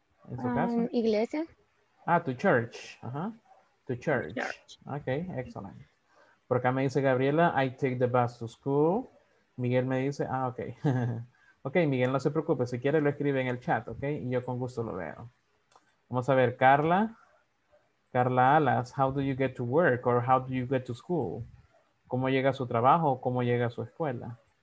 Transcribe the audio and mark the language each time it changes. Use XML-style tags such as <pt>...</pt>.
<es>En su caso. Iglesia.</es> <en>Ah, to church. To church. Ok, excellent.</en> <es>Por acá me dice Gabriela,</es> <en>I take the bus to school.</en> <es>Miguel me dice, ok. Ok, Miguel, no se preocupe. Si quiere, lo escribe en el chat, ok. Y yo con gusto lo veo. Vamos a ver, Carla.</es> <en>Carla Alas, how do you get to work or how do you get to school?</en> <es>¿Cómo llega a su trabajo o cómo llega a su escuela?</es>